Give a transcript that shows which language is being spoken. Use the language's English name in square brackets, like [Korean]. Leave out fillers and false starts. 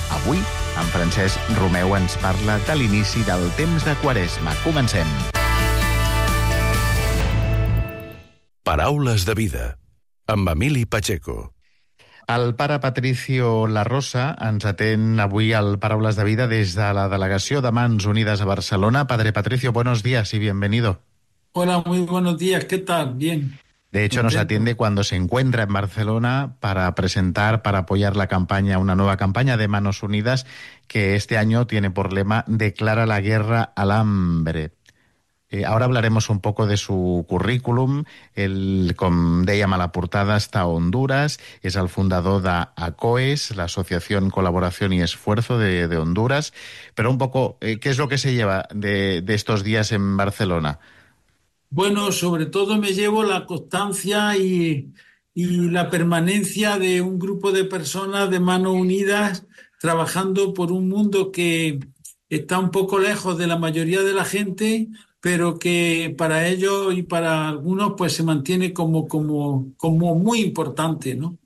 [Catalan] Avui, en Francesc Romeu ens parla de l'inici del temps de Quaresma. Comencem. Paraules de vida, amb Emili Pacheco. El pare Patricio Larrosa ens atén avui al Paraules de Vida des de la delegació de Mans Unides a Barcelona. [Spanish] Padre Patricio, buenos días y bienvenido. Hola, muy buenos días. ¿Qué tal? Bien. De hecho, nos atiende cuando se encuentra en Barcelona para presentar, para apoyar la campaña, una nueva campaña de Manos Unidas que este año tiene por lema Declara la guerra al hambre. Ahora hablaremos un poco de su currículum. [Catalan] Él, com dèiem a la portada, està a Honduras, és el fundador de ACOES, l'Associació Col·laboració i Esforç de Honduras. Però [Spanish] un poco, ¿qué es lo que se lleva de estos días en Barcelona? Bueno, sobre todo me llevo la constancia y la permanencia de un grupo de personas de manos unidas trabajando por un mundo que está un poco lejos de la mayoría de la gente, pero que para ellos y para algunos pues se mantiene como muy importante, ¿no?